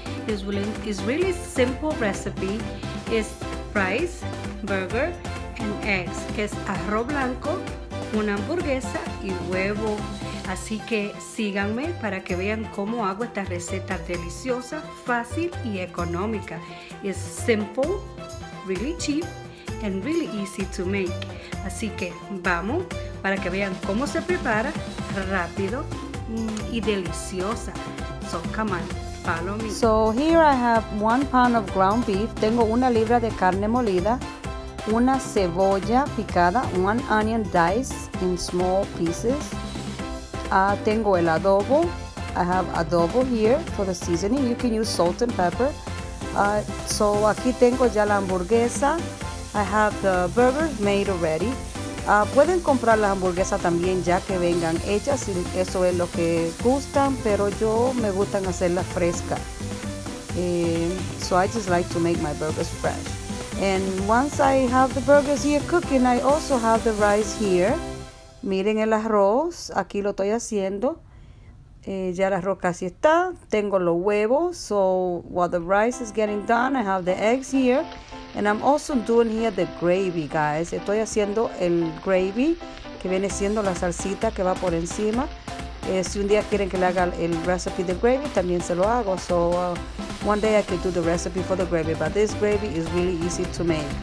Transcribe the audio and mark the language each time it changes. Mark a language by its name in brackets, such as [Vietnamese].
[English] It's really simple recipe. It's rice, burger, and eggs. [Spanish] Que es arroz blanco, una hamburguesa y huevo. Así que síganme para que vean cómo hago esta receta deliciosa, fácil y económica. [English] It's simple, really cheap, and really easy to make. [Spanish] Así que vamos para que vean cómo se prepara rápido y deliciosa. [English] So come on, follow me. So here I have 1 pound of ground beef. [Spanish] Tengo 1 libra de carne molida, 1 cebolla picada, [English] 1 onion diced in small pieces. [Spanish] Tengo el adobo. [English] I have adobo here for the seasoning. You can use salt and pepper. So [Spanish] aquí tengo ya la hamburguesa. [English] I have the burger made already. [Spanish] Pueden comprar las hamburguesas también ya que vengan hechas, si eso es lo que gustan, pero yo me gustan hacerlas frescas. [English] So I just like to make my burgers fresh. And once I have the burgers here cooking, I also have the rice here. [Spanish] Miren el arroz, aquí lo estoy haciendo. Ya el arroz casi está. Tengo los huevos. [English] So while the rice is getting done, I have the eggs here. And I'm also doing here the gravy, guys. [Spanish] Estoy haciendo el gravy, que viene siendo la salsita que va por encima. Si un día quieren que le haga el recipe de gravy, también se lo hago. [English] So one day I can do the recipe for the gravy, but this gravy is really easy to make.